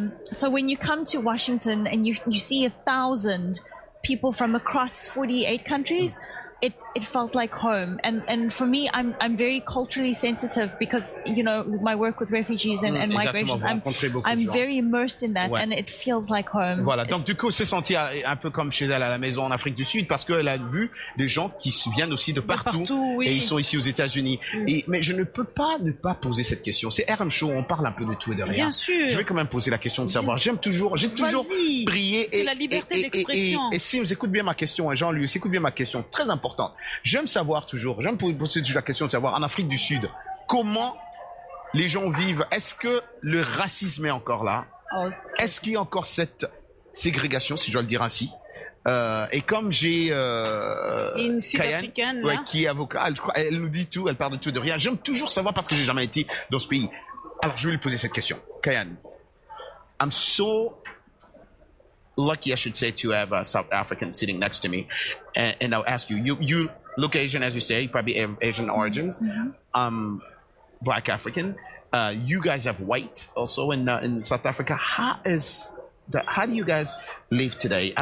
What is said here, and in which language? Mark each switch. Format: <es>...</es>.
<en>So when you come to Washington and you see 1,000 people from across 48 countries, it felt like home. And for me, I'm very culturally sensitive because, you know, my work with refugees and migration, I'm very immersed in that, ouais. And it feels like home.</en> <fr>Voilà. Donc, du coup, c'est senti un peu comme chez elle à la maison en Afrique du Sud, parce qu'elle a vu des gens qui viennent aussi de partout, Oui. Et ils sont ici aux États-Unis. Mais je ne peux pas ne pas poser cette question. C'est RM Show, on parle un peu de tout et de rien. Bien sûr. Je vais quand même poser la question de savoir. J'ai toujours brillé. C'est la liberté d'expression. Et si vous écoutez bien ma question, Jean-Louis, écoute bien ma question, très importante. J'aime savoir toujours, j'aime poser toujours la question de savoir, en Afrique du Sud, comment les gens vivent? Est-ce que le racisme est encore là? Est-ce qu'il y a encore cette ségrégation, si je dois le dire ainsi? Et comme j'ai une Sud-Africaine, Kayane, ouais, qui est avocate, elle nous dit tout, elle parle de tout et de rien. J'aime toujours savoir parce que j'ai jamais été dans ce pays. Alors je vais lui poser cette question.</fr> <en>Kayane, I'm so lucky, I should say, to have a South African sitting next to me. And I'll ask you, you look Asian, as you say, you probably have Asian origins, Black African. You guys have white also in South Africa. How do you guys live today?</en>